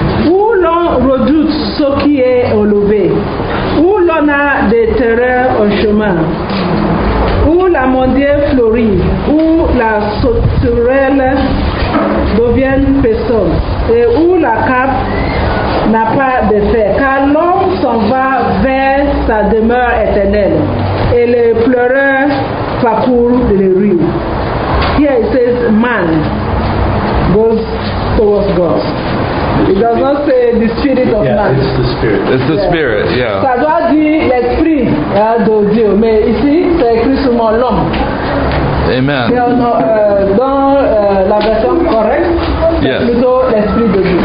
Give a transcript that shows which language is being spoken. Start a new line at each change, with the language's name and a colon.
French: Où l'on redoute ce qui est élevé, où l'on a des terreurs au chemin, où la mondière fleurit, où la sauterelle devient personne, et où la carpe n'a pas d'effet, car l'homme s'en va vers sa demeure éternelle, et les pleureurs parcourent les rues.
English: Here it says, man goes towards God. It does not say the spirit of man. It's the spirit. It's the spirit,
French: Ça doit dire l'esprit de Dieu, mais ici, c'est écrit seulement l'homme.
English: Amen.
French: Dans la version correcte, c'est plutôt l'esprit de Dieu.